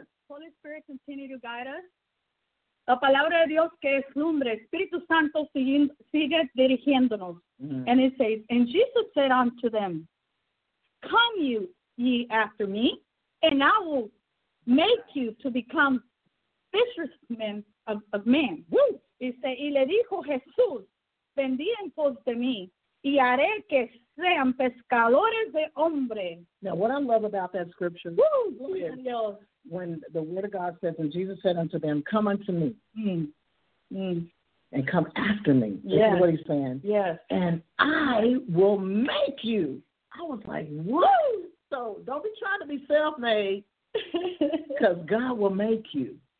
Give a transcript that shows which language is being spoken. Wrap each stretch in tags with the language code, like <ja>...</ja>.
<en>Holy Spirit, continue to guide us.</en> <es>La palabra de Dios que es lumbre. Espíritu Santo sigue dirigiéndonos. Mm-hmm.</es> <en>And it says, and Jesus said unto them, come you ye after me. And I will make you to become fishermen of men. Woo!</en> <es>Dice, y le dijo Jesús, vendí en pos de mí, y haré que sean pescadores de hombres.</es> <en>Now, what I love about that scripture, Woo! Is when the word of God says, and Jesus said unto them, come unto me. Mm. and come after me. Yes. This is what he's saying. Yes. And I will make you. I was like, woo! So don't be trying to be self-made, because God will make you.</en>